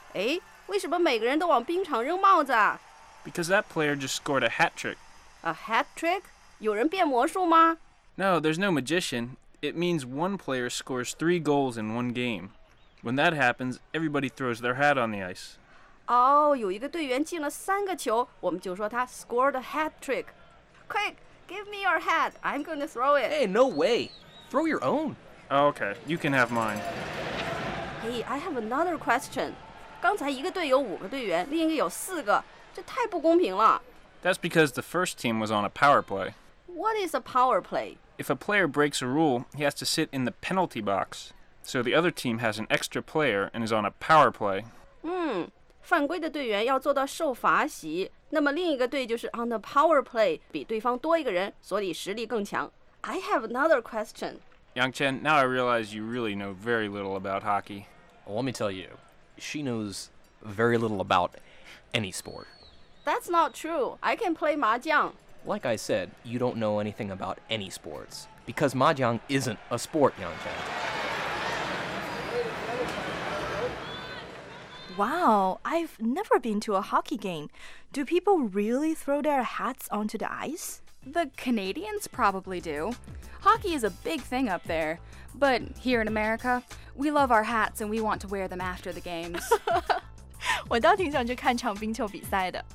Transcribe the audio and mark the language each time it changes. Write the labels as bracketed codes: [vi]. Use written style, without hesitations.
[zh] 诶，为什么每个人都往冰场扔帽子啊？ [en] Because that player just scored a hat trick. A hat trick? [zh] 有人变魔术吗？ [en] No, there's no magician. It means one player scores 3 goals in one game. When that happens, everybody throws their hat on the ice. [zh] 哦，有一个队员进了三个球，我们就说他 [en] scored a hat trick. Quick! Give me your hat. I'm going to throw it. Hey, no way. Throw your own. Okay, you can have mine. Hey, I have another question. [zh] 刚才一个队有五个队员，另一个有四个，这太不公平了。 [en] That's because the first team was on a power play. What is a power play? If a player breaks a rule, he has to sit in the penalty box. So the other team has an extra player and is on a power play. [zh] 犯规的队员要坐到受罚席。那么另一个队就是 [en] on the power play, [zh] 比对方多一个人，所以实力更强。 [en] I have another question. Yangchen, now I realize you really know very little about hockey. Well, let me tell you, she knows very little about any sport. That's not true. I can play mahjong. Like I said, you don't know anything about any sports. Because mahjong isn't a sport, Yangchen. Wow, I've never been to a hockey game. Do people really throw their hats onto the ice? The Canadians probably do. Hockey is a big thing up there. But here in America, we love our hats and we want to wear them after the games. [zh] 我倒挺想去看场冰球比赛的。